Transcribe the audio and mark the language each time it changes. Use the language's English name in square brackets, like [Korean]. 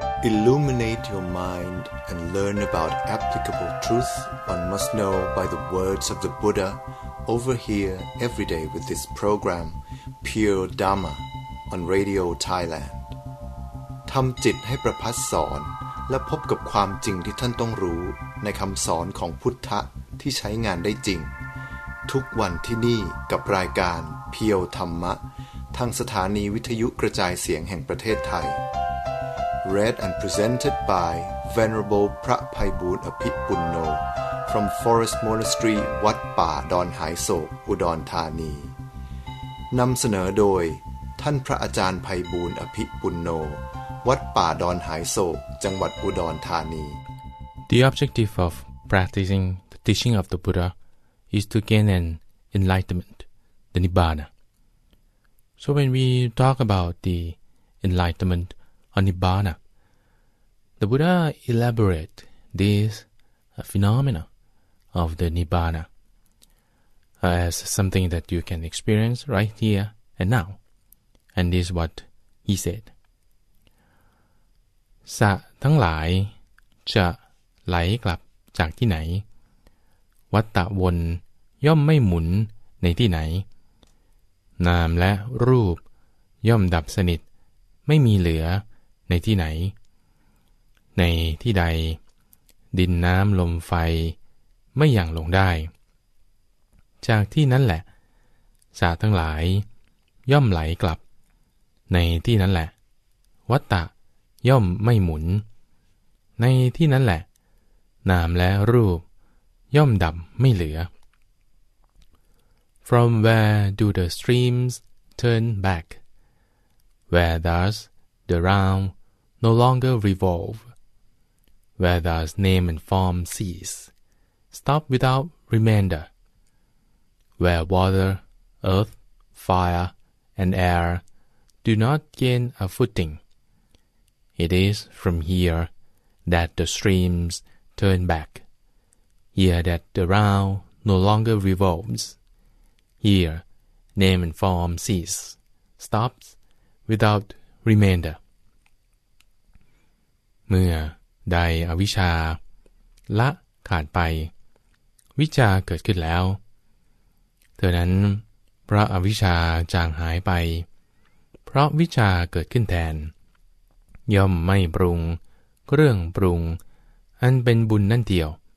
[English] Illuminate your mind and learn about applicable truth one must know by the words of the Buddha over here every day with this program, Pure Dharma, on Radio Thailand. [Thai] ทำจิตให้ประพัสสอนและพบกับความจริงที่ท่านต้องรู้ในคำสอนของพุทธะที่ใช้งานได้จริงทุกวันที่นี่กับรายการเพียวธรรมะทางสถานีวิทยุกระจายเสียงแห่งประเทศไทย [English] Read and presented by Venerable [Thai] พระไพบูลย์อภิปุณโญ [English] from Forest Monastery [Thai] วัดป่าดอนหายโศกอุดรธานีนำเสนอโดยท่านพระอาจารย์ไพบูลย์อภิปุณโญวัดป่าดอนหายโศกจังหวัดอุดรธานี [English] The objective of practicing the teaching of the Buddha is to gain an enlightenment, the Nibbana. So when we talk about the enlightenment or Nibbana, the Buddha elaborate this phenomena of the Nibbana as something that you can experience right here and now. And this is what he said. [Thai] สัตว์ทั้งหลายจะไหลกลับจากที่ไหนวัฏฏะวนย่อมไม่หมุนในที่ไหนนามและรูปย่อมดับสนิทไม่มีเหลือในที่ไหนในที่ใดดินน้ำลมไฟไม่หยั่งลงได้ จากที่นั้นแหละสัตว์ทั้งหลายย่อมไหลกลับในที่นั้นแหละวัฏฏะย่อมไม่หมุนในที่นั้นแหละนามและรูปย่อมดับไม่เหลือ [English] From where do the streams turn back? Where does the round no longer revolve? Where does name and form cease, stop without remainder? Where water, earth, fire, and air do not gain a footing? It is from here that the streams turn back, here that the round no longer revolves. Here, name and form cease, stops without remainder. [Thai] เมื่อใดอวิชชาละขาดไปวิชชาเกิดขึ้นแล้วเท่านั้นเพราะอวิชชาจางหายไปเพราะวิชชาเกิดขึ้นแทนย่อมไม่ปรุงเครื่องปรุงอันเป็นบุญนั่นเดียว